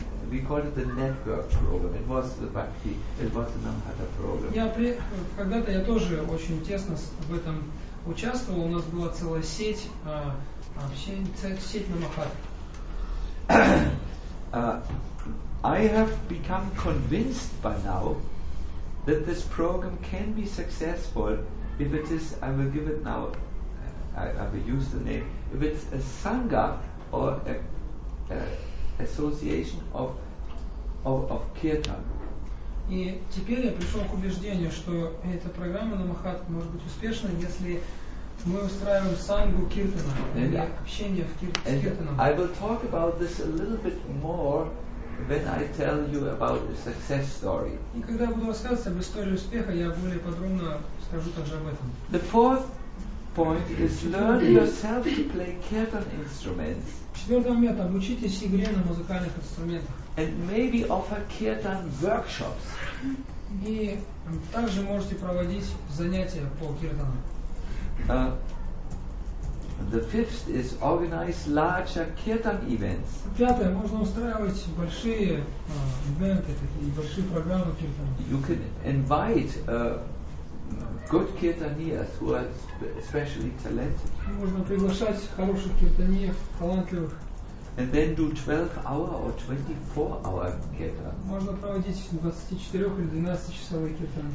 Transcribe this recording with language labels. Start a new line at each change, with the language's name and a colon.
English: We called it the network program. It was the Bhakti. It was the Namhata program.
Russian: Когда-то я тоже очень тесно в этом участвовал. У нас была целая сеть Намахады.
English: I have become convinced by now that this program can be successful if it is, I will give it now, I will use the name, if it's a sangha or an association of kirtan.
Russian: И теперь я пришел к убеждению, что эта программа Намахат может быть успешной, если мы устраиваем сангу киртана или общение с киртаном.
English: I will talk about this a little bit more when I tell you about the success story.
Russian: И когда я буду рассказывать об истории успеха, я более подробно скажу также об этом.
English: The fourth point is learn yourself to play kirtan instruments.
Russian: Четвертый момент. Обучитесь игре на музыкальных инструментах.
English: And maybe offer kirtan workshops.
Russian: И также можете проводить занятия по киртану.
English: The fifth is organize larger kirtan events.
Russian: Пятое, можно устраивать большие ивенты, такие большие программы киртан.
English: You can invite good kirtaniers who are especially talented.
Russian: Можно приглашать хороших киртаниев, талантливых.
English: And then do 12-hour or 24-hour kirtan.
Russian: Можно проводить 24 или 12-часовые киртаны.